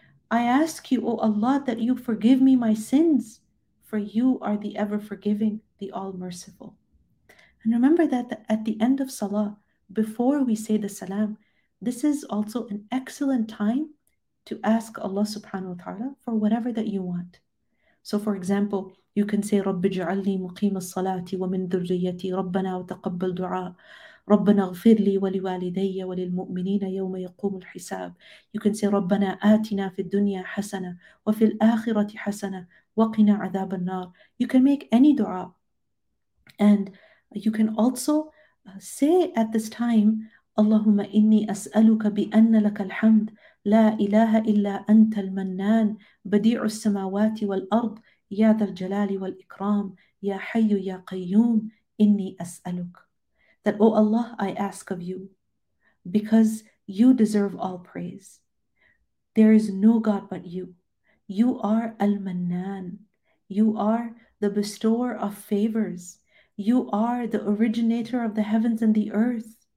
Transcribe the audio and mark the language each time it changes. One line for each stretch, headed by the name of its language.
English: I ask you, O Allah, that you forgive me my sins, for you are the ever-forgiving, the all-merciful. And remember that at the end of Salah, before we say the Salam, this is also an excellent time to ask Allah subhanahu wa ta'ala for whatever that you want. So for example, you can say,
Arabic: رَبِّ جَعَلْنِي مُقِيمَ الصَّلَاةِ وَمِنْ ذُرِّيَّتِي رَبَّنَا وَتَقَبَّلْ دُعَاءِ رَبَّنَا اغْفِرْ لِي وَلِوَالِدَيَّ وَلِلْمُؤْمِنِينَ يَوْمَ يَقُومُ الْحِسَابِ.
English: You can say,
Arabic: رَبَّنَا آتِنَا فِي الدُّنْيَا حَسَنَةً وَفِي الْآخِرَةِ حَسَنَةً وَقِنَا عَذَابَ النَّارِ.
English: You can make any dua. And you can also say at this time,
Arabic: اللهم إني أسألك بأن لك الحمد لا إله إلا أنت المنان بديع السماوات والأرض يا ذا الجلال والإكرام يا حي يا قيوم إني أسألك.
English: That, O Allah, I ask of you, because you deserve all praise. There is no God but you. You are Al-Mannan. You are the bestower of favors. You are the originator of the heavens and the earth.